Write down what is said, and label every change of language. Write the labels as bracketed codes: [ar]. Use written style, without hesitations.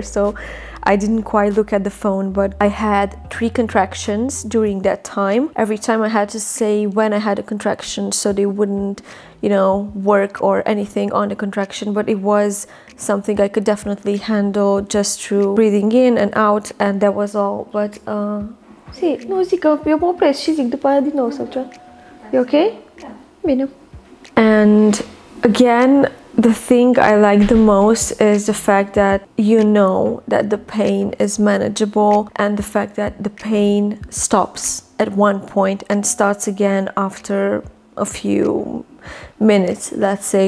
[en] So I didn't quite look at the phone, but I had 3 contractions during that time. Every time I had to say when I had a contraction so they wouldn't, you know, work or anything on the contraction, but it was something I could definitely handle just through breathing in and out, and that was all. But [ro] sì, nu zic că eu mă opresc și zic după aia din nou sau ceva. E okay? Da. Bine. [en] And again, the thing I like the most is the fact that you know that the pain is manageable, and the fact that the pain stops at one point and starts again after a few minutes, let's say.